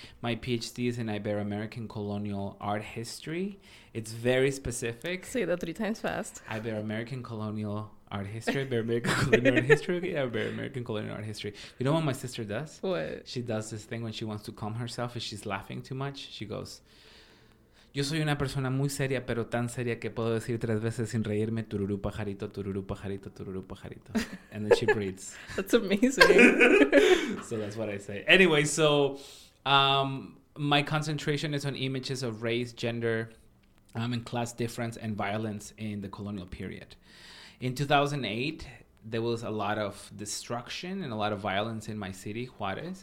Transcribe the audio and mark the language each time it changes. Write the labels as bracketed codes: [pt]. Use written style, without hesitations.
[en] My PhD is in Ibero-American colonial art history. It's very specific. Say that three times fast. Ibero-American colonial art history. Ibero-American colonial art history. Ibero-American colonial art history. You know what my sister does? What? She does this thing when she wants to calm herself and she's laughing too much. She goes, [es] yo soy una persona muy seria, pero tan seria que puedo decir tres veces sin reírme, tururú pajarito, tururú pajarito, tururú pajarito. [en] And then she breathes. That's amazing. So that's what I say. Anyway, so my concentration is on images of race, gender, and class difference and violence in the colonial period. In 2008, there was a lot of destruction and a lot of violence in my city, Juarez.